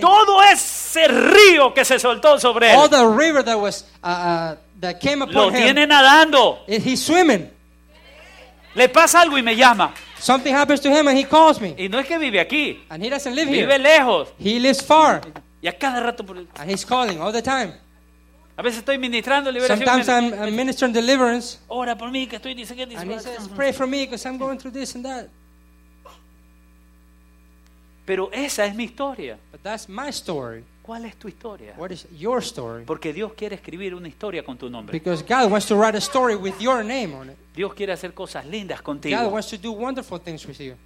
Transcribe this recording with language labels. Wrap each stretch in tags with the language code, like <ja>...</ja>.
<es>todo ese río que se soltó sobre él.</es> <en>All the river that was that came upon</en> <es>lo tiene nadando.</es> <en>He's swimming.</en> <es>Le pasa algo y me llama.</es> <en>Something happens to him and he calls me.</en> <es>Y no es que vive aquí.</es> <en>And he doesn't live here.</en> <es>Vive lejos.</es> <en>He lives far.</en> <es>Y a cada rato por el...</es> <en>And he's calling all the time.</en> <es>A veces estoy ministrando liberación.</es> <en>Sometimes I'm ministering deliverance.</en> <es>Ora por mí que estoy diciendo.</es> <en>And he says, pray for me because I'm going through this and that.</en> <es>Pero esa es mi historia.</es> <en>But that's my story.</en> <es>¿Cuál es tu historia?</es> <en>What is your story?</en> <es>Porque Dios quiere escribir una historia con tu nombre.</es> <en>Because God wants to write a story with your name on it.</en> <es>Dios quiere hacer cosas lindas contigo.</es> <en>God wants to do wonderful things with you.</en>